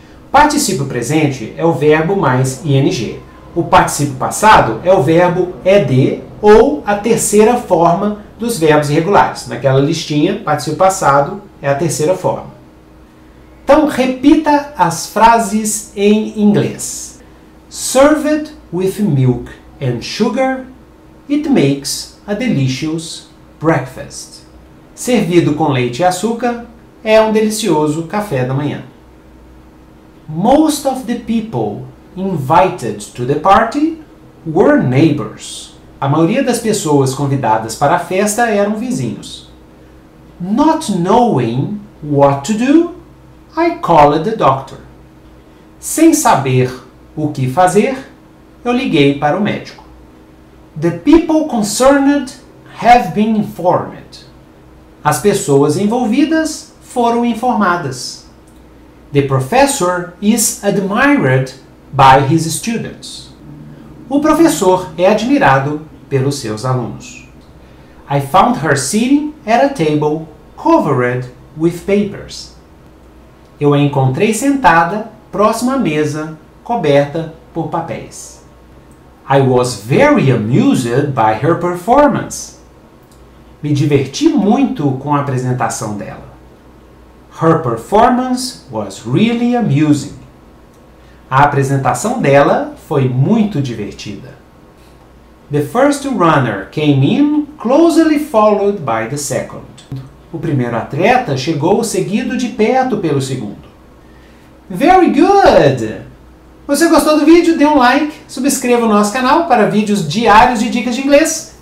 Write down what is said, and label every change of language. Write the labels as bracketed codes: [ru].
[pt] Particípio presente é o verbo mais ing. O particípio passado é o verbo ed ou a terceira forma dos verbos irregulares. Naquela listinha, particípio passado é a terceira forma. Então, repita as frases em inglês. [en] Served with milk and sugar, it makes a delicious breakfast. [pt] Servido com leite e açúcar, é um delicioso café da manhã. [en] Most of the people invited to the party were neighbors. [pt] A maioria das pessoas convidadas para a festa eram vizinhos. [en] Not knowing what to do, I called the doctor. [pt] Sem saber o que fazer, eu liguei para o médico. [en] The people concerned have been informed. [pt] As pessoas envolvidas foram informadas. [en] The professor is admired by his students. [pt] O professor é admirado pelos seus alunos. [en] I found her sitting at a table covered with papers. [pt] Eu a encontrei sentada próxima à mesa coberta por papéis. [en] I was very amused by her performance. [pt] Me diverti muito com a apresentação dela. [en] Her performance was really amusing. [pt] A apresentação dela foi muito divertida. [en] The first runner came in, closely followed by the second. [pt] O primeiro atleta chegou seguido de perto pelo segundo. [en] Very good! [pt] Você gostou do vídeo? Dê um like, subscreva o nosso canal para vídeos diários de dicas de inglês.